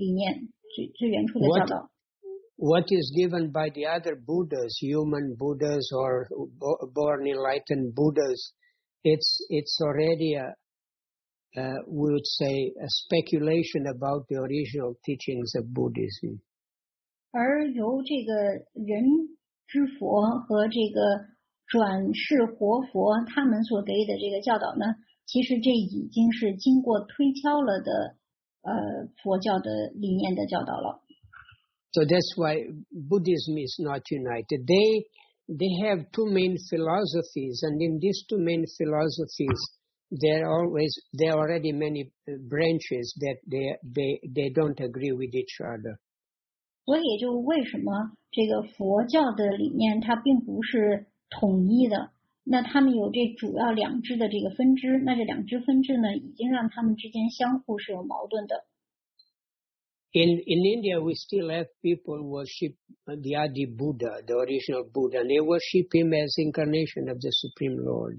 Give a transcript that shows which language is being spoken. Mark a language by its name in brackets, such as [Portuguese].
[Chinese] 所以说呢，由这位神，就由这位佛他在经典里面所给予的这个信息，我们把它接受为是由佛教的最原初的理念，最原初的教导。 [English] What is given by the other Buddhas, human Buddhas or born enlightened Buddhas, it's already we would say a speculation about the original teachings of Buddhism. [Chinese] 而由这个人之佛和这个转世活佛他们所给的这个教导呢，其实这已经是经过推敲了的佛教的理念的教导了。 [English] So that's why Buddhism is not united. They have two main philosophies, and in these two main philosophies, there are already many branches that they don't agree with each other. [Chinese] 所以就为什么这个佛教的理念它并不是统一的？那他们有这主要两支的这个分支，那这两支分支呢，已经让他们之间相互是有矛盾的。 [English] In India, we still have people worship the Adi Buddha, the original Buddha, and they worship him as incarnation of the Supreme Lord.